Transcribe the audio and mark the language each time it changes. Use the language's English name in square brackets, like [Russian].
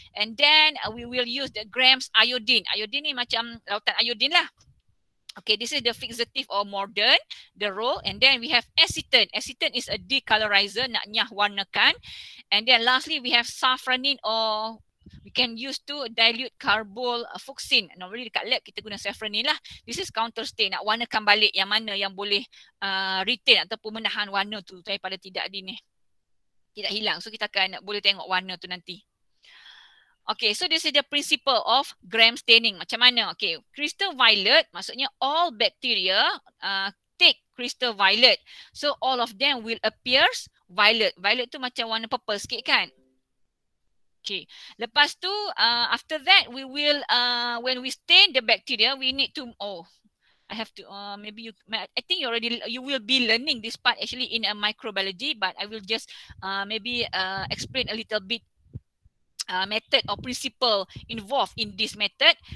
[English] And then we will use the Gram's iodine. [Malay] Iodine ni macam lautan iodine lah. [English] Okay, this is the fixative or mordant, the role. And then we have acetone. Acetone is a decolorizer, [Malay] nak nyah warnakan. [English] And then lastly, we have safranin, or we can use to dilute carbol fuchsin. [Malay] Normally dekat lab kita guna safranin lah. [English] This is counter stain, [Malay] nak warnakan balik yang mana yang boleh retain ataupun menahan warna tu daripada tidak di ni, tidak hilang. So kita akan boleh tengok warna tu nanti. [English] Okay, so this is the principle of Gram staining. [Malay] Macam mana? [English] Okay, crystal violet maksudnya all bacteria take crystal violet. So all of them will appear violet. [Malay] Violet tu macam warna purple sikit, kan. [English] Okay, [Malay] lepas tu, [English] after that, we will, when we stain the bacteria, we need to, you will be learning this part actually in a microbiology, but I will just explain a little bit method or principle involved in this method.